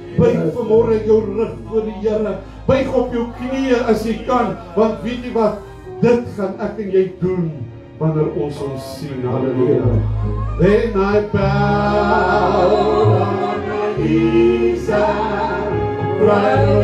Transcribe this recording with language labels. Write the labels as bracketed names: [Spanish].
[Afrikaans] Buig vanmorgen jou rug voor die Heere. Buig op jou knieën as jy kan, want weet jy wat, dit gaan ek en jy doen. Wanneer ons ons sien, halleluja. [English] Then I bow on my knees and cry